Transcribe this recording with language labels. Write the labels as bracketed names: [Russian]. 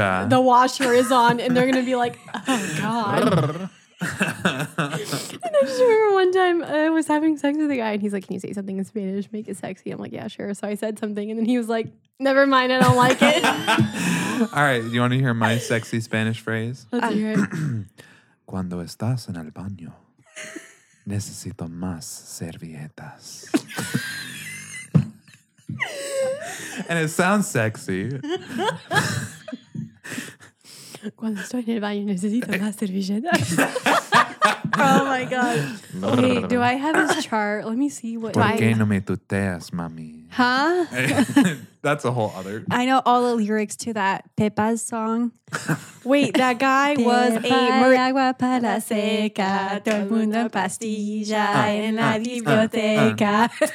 [English] Like the washer is on and they're going to be like, oh, God. And I just remember one time I was having sex with a guy and he's like, can you say something in Spanish? Make it sexy. I'm like, yeah, sure. So I said something and then he was like, never mind, I don't like it. All right, you want to hear my sexy Spanish phrase? Let's hear it. [Spanish] Cuando estás en el baño, necesito más servilletas. [English] And it sounds sexy. [Spanish] Cuando estoy en el baño, necesito más servilletas. [English] Oh my God. Okay, do I have his chart? Let me see what. [Spanish] ¿Por qué no me tuteas, mami? Huh? [English] That's a whole other. I know all the lyrics to that Pepas song. Wait, that guy was a. [Spanish] Agua para la seca, todo el mundo en pastilla en la biblioteca.